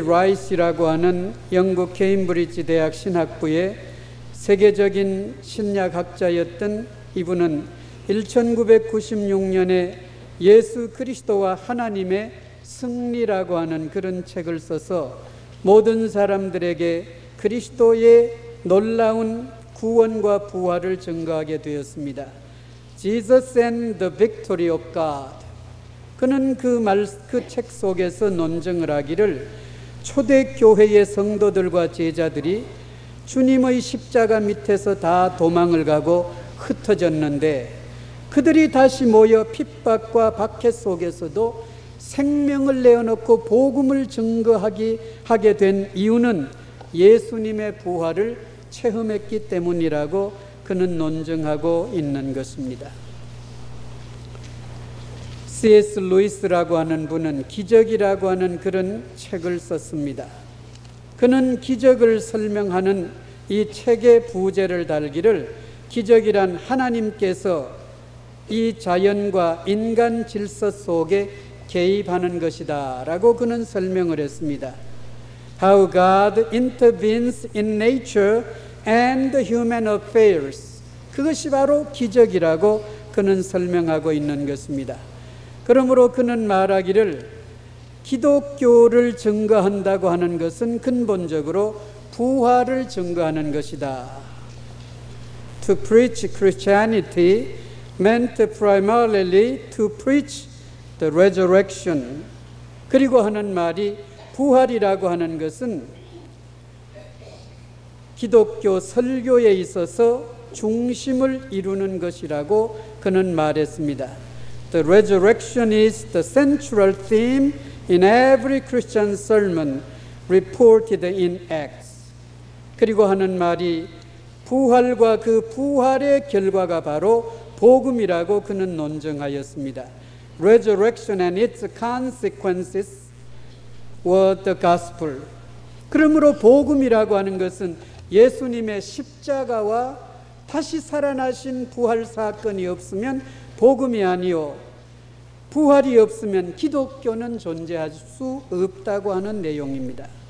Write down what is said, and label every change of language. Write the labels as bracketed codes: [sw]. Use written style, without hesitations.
[ko] 라이스라고 하는 영국 케임브리지 대학 신학부의 세계적인 신약학자였던 이분은 1996년에 예수 그리스도와 하나님의 승리라고 하는 그런 책을 써서 모든 사람들에게 그리스도의 놀라운 구원과 부활을 증거하게 되었습니다. [en] Jesus and the victory of God. [ko] 그는 그 책 속에서 논증을 하기를 초대교회의 성도들과 제자들이 주님의 십자가 밑에서 다 도망을 가고 흩어졌는데 그들이 다시 모여 핍박과 박해 속에서도 생명을 내어놓고 복음을 증거하게 된 이유는 예수님의 부활을 체험했기 때문이라고 그는 논증하고 있는 것입니다. [en] C.S. [ko] 루이스라고 하는 분은 기적이라고 하는 그런 책을 썼습니다. 그는 기적을 설명하는 이 책의 부제를 달기를 기적이란 하나님께서 이 자연과 인간 질서 속에 개입하는 것이다 라고 그는 설명을 했습니다. [en] How God intervenes in nature and human affairs. [ko] 그것이 바로 기적이라고 그는 설명하고 있는 것입니다. 그러므로 그는 말하기를 기독교를 증거한다고 하는 것은 근본적으로 부활을 증거하는 것이다. [en] To preach Christianity meant primarily to preach the resurrection. [ko] 그리고 하는 말이 부활이라고 하는 것은 기독교 설교에 있어서 중심을 이루는 것이라고 그는 말했습니다. [en] The resurrection is the central theme in every Christian sermon reported in Acts. [ko] 그리고 하는 말이 부활과 그 부활의 결과가 바로 복음이라고 그는 논증하였습니다. [en] Resurrection and its consequences were the gospel. [ko] 그러므로 복음이라고 하는 것은 예수님의 십자가와 다시 살아나신 부활 사건이 없으면 복음이 아니요 부활이 없으면 기독교는 존재할 수 없다고 하는 내용입니다.